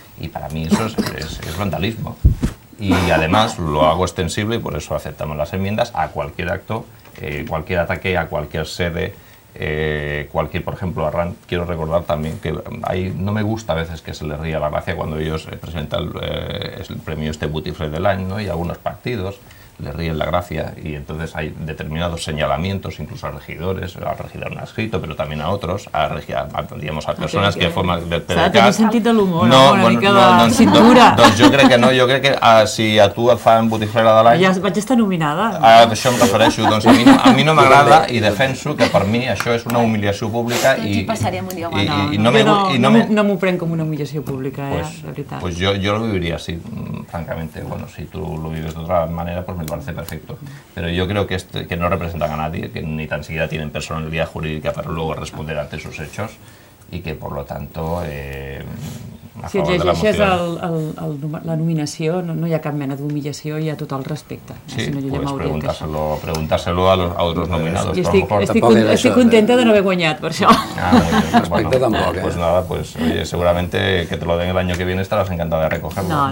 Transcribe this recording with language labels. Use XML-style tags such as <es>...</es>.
<es>Y para mí eso es vandalismo. Y además lo hago extensible, y por eso aceptamos las enmiendas, a cualquier acto, cualquier ataque a cualquier sede, cualquier, por ejemplo, Arran, quiero recordar también que ahí no me gusta a veces que se les ría la gracia cuando ellos presentan el premio este Butifre del año, ¿no? Y algunos partidos les ríen la gracia y entonces hay determinados señalamientos, incluso a regidores, al regidor no ha escrito, pero también a otros, a personas que forman del PDeCAT. O sea, tiene sentido el humor, no, cintura. Yo creo que</es> <ca>si a tu et fan Butifrera de l'any... Ja vaig estar nominada. Això em refereixo, doncs a mi no m'agrada i defenso que per mi això és una humiliació pública i... Aquí passaríem un dia, no m'ho prenc com una humiliació pública, de veritat.</ca> <es>Pues</es> <ca>jo lo viviria així,</ca> <es>francamente. Bueno, si tu lo vives</es> <ca>d'altra manera,</ca> <es>pues me parece perfecto. Pero yo creo que no representan a nadie, que ni tan siquiera tienen personalidad jurídica para luego responder ante sus hechos y que, por lo tanto,</es> <ca>si et llegeixes la nominació, no hi ha cap mena d'humillació i a tot el respecte.</ca> <es>Sí, pues preguntar-se-lo a los nominados.</es> <ca>Estic contenta de no haver guanyat, per això. Respecte tampoc.</ca> <es>Pues nada, pues oye, seguramente que te lo den el año que viene estarás encantada de recogerlo.</es>